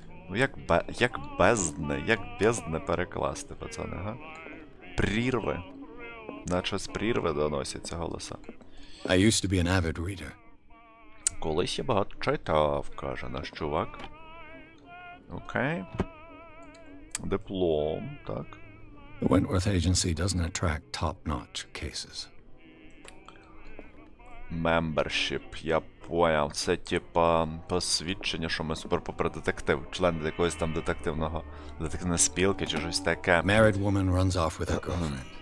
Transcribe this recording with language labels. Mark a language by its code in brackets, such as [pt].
[uk] Ну як бездне перекласти, пацани, га? Прірви. Наче з прірви доносяться голоса. [en] I used to be an avid reader. [uk] Колись я багато читав, каже наш чувак. Окей. Диплом, так. [en] The Wentworth Agency doesn't attract top-notch cases. [uk] Membership, я поняв. Це типа посвідчення, що ми супер-попер детектив, член якогось там детективної спілки чи щось таке. [en] Married woman runs off with her girlfriend.